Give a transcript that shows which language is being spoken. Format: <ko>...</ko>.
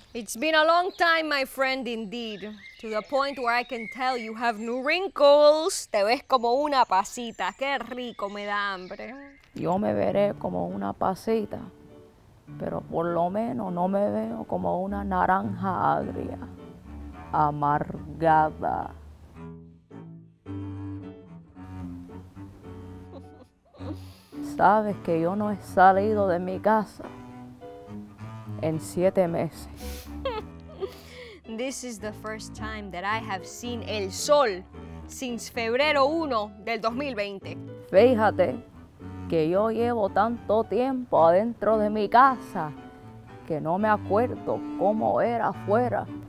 <en>It's been a long time, my friend, indeed. To the point where I can tell you have new wrinkles.</en> <es>Te ves como una pasita. Qué rico, me da hambre. Yo me veré como una pasita, pero por lo menos no me veo como una naranja agria, amargada. Sabes que yo no he salido de mi casa en 7 meses.</es> <en>This is the first time that I have seen</en> <es>el sol</es> <en>since</en> <es>Febrero 1 del 2020. Fíjate que yo llevo tanto tiempo adentro de mi casa que no me acuerdo cómo era afuera.</es>